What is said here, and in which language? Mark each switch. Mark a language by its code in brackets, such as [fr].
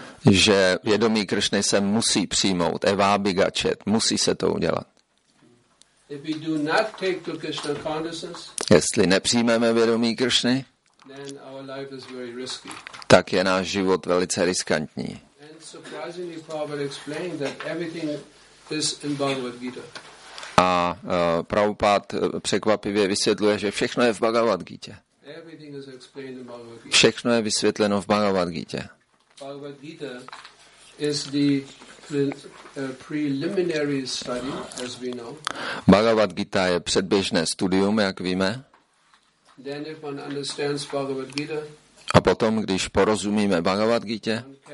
[cs] Že vědomí Kršny se musí přijmout, evabhigachet, musí se to udělat. [en] If we do not take to Krishna consciousness, [cs] jestli nepřijmeme vědomí Kršny, [en] then our life is very risky. [cs] Tak je náš život velice riskantní. [en] And surprisingly, Prabhupada explained that everything is in Bhagavad Gita. [cs] A Prabhupada překvapivě vysvětluje, že všechno je v Bhagavad Gita. [en] Everything is explained in Bhagavad Gita. [cs] Všechno je vysvětleno v Bhagavad Gita. [en] Bhagavad Gita is the preliminary study, as we know. [cs] Bhagavad Gita je předběžné studium, jak víme. [en] Then if one understands Bhagavad Gita, [cs] a potom, když porozumíme Bhagavad Gita,